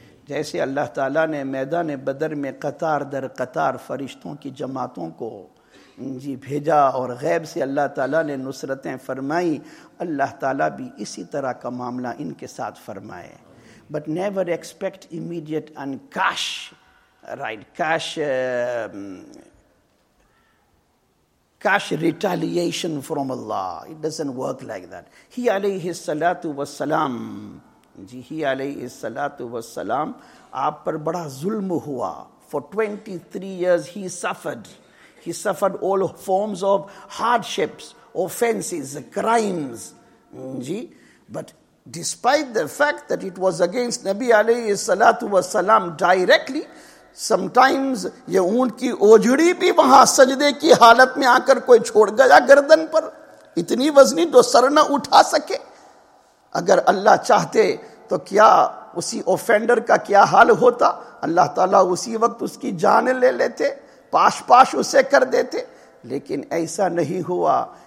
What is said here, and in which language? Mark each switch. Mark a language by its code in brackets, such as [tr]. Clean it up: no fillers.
[ur] Jaise Allah Ta'ala ne Maidan-e-Badr mein qatar dar qatar farishton ki jamaaton ko جی بھیجا اور غیب سے اللہ تعالیٰ نے نصرتیں فرمائیں, اللہ تعالیٰ بھی اسی طرح کا معاملہ ان کے ساتھ فرمائے. [en] But never expect immediate and cash, right, cash retaliation from Allah. It doesn't work like that. [ur] He علیہ الصلاۃ والسلام, جی ہی علیہ الصلاۃ والسلام, آپ پر بڑا ظلم ہوا. [en] For 23 years he suffered. He suffered all forms of hardships, offenses, crimes. But despite the fact that it was against Nabi alayhi salatu wasalam directly, [ur] Sometimes یہ اونٹ کی اوجھڑی بھی وہاں سجدے کی حالت میں آ کر کوئی چھوڑ گیا گردن پر, اتنی وزنی جو سر نہ اٹھا سکے. اگر اللہ چاہتے تو کیا اسی اوفینڈر کا کیا حال ہوتا؟ اللہ تعالیٰ اسی وقت اس کی جان لے لیتے, پاش پاش اسے کر دیتے, لیکن ایسا نہیں ہوا.